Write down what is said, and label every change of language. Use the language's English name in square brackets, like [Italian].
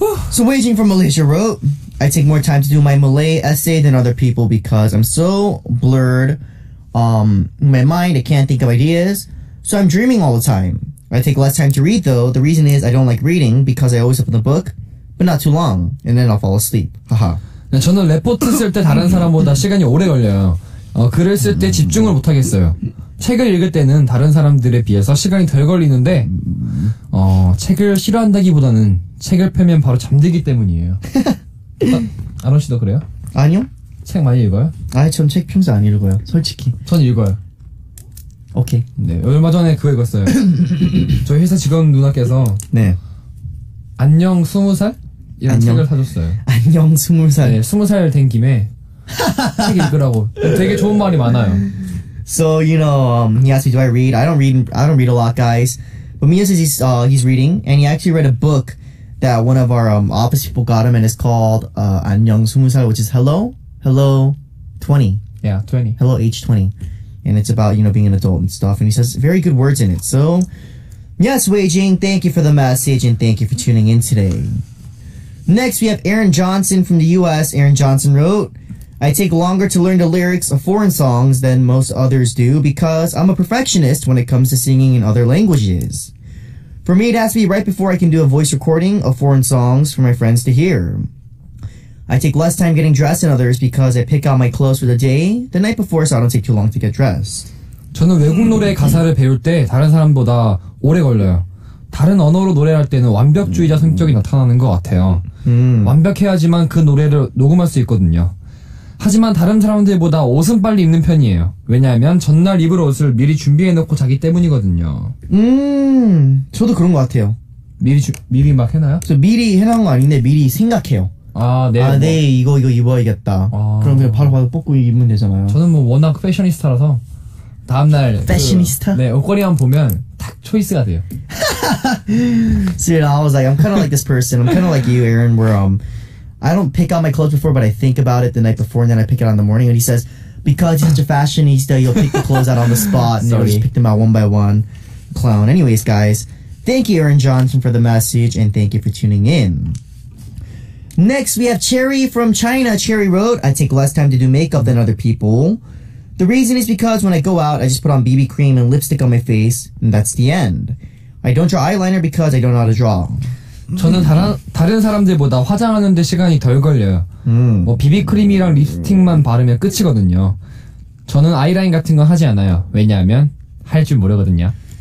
[English] So, Waging from Malaysia wrote, I take more time to do my Malay essay than other people because I'm so blurred in my mind. I can't think of ideas. So, I'm dreaming all the time. I take less time to read, though. The reason is I don't like reading because I always open the book. But not too long, and then I'll fall asleep. 하하. [Korean] 네, 저는 레포트 쓸 때 다른 사람보다 시간이 오래 걸려요. 글을 쓸 때 집중을 못 하겠어요. 책을 읽을 때는 다른 사람들에 비해서 시간이 덜 걸리는데, 책을 싫어한다기보다는 책을 펴면 바로 잠들기 때문이에요. 아론 씨도 그래요? 아니요. 책 많이 읽어요? 아니, 전 책 평소 안 읽어요, 솔직히. 전 읽어요. 오케이. 네, 얼마 전에 그거 읽었어요. 저희 회사 직원 누나께서. 네. 안녕 20살? 이런 안녕. 책을 사줬어요. 안녕 20살. 네, 20살 된 김에 책 읽으라고. 되게 좋은 말이 많아요. [English] So, you know, he asked me, do I read? I don't read a lot, guys. But Mia says he's reading, and he actually read a book that one of our office people got him, and it's called 안녕 20살, which is Hello 20. Yeah, 20. Hello age 20. And it's about, you know, being an adult and stuff. And he says very good words in it, so... Yes, Weijing, thank you for the message and thank you for tuning in today. Next, we have Aaron Johnson from the US. Aaron Johnson wrote, I take longer to learn the lyrics of foreign songs than most others do because I'm a perfectionist when it comes to singing in other languages. For me, it has to be right before I can do a voice recording of foreign songs for my friends to hear. I take less time getting dressed than others because I pick out my clothes for the day the night before so I don't take too long to get dressed. [Korean] 저는 외국 노래 가사를 배울 때 다른 사람보다 오래 걸려요. 다른 언어로 노래할 때는 완벽주의자 성격이 나타나는 것 같아요. 완벽해야지만 그 노래를 녹음할 수 있거든요. 하지만 다른 사람들보다 옷은 빨리 입는 편이에요. 왜냐하면 전날 입을 옷을 미리 준비해놓고 자기 때문이거든요. 저도 그런 것 같아요. 미리 막 해놔요? 저 미리 해놓은 거 아닌데 미리 생각해요. 아, 네. 아, 뭐. 네, 이거 입어야겠다. 아. 그럼 그냥 바로 뽑고 입으면 되잖아요. 저는 뭐 워낙 패셔니스타라서 다음날 패셔니스타? 네, 옷걸이만 보면 딱 초이스가 돼요. [English] So, you know, I was like, I'm kind of like this person. I'm kind of like you, Aaron, where I don't pick out my clothes before, but I think about it the night before, and then I pick it out in the morning. And he says, because he's such a fashionista, you'll pick the clothes out on the spot, and he'll just pick them out one by one. Clown. Anyways, guys, thank you, Aaron Johnson, for the message, and thank you for tuning in. Next, we have Cherry from China. Cherry wrote, I take less time to do makeup than other people. The reason is because when I go out, I just put on BB cream and lipstick on my face, and that's the end. I don't draw eyeliner because I don't know how to draw. [Korean] 저는 다른 사람들보다 화장하는 데 시간이 덜 걸려요. 뭐 BB크림이랑 립스틱만 바르면 끝이거든요. 저는 아이라인 같은 건 하지 않아요. 왜냐하면 할 줄 모르거든요.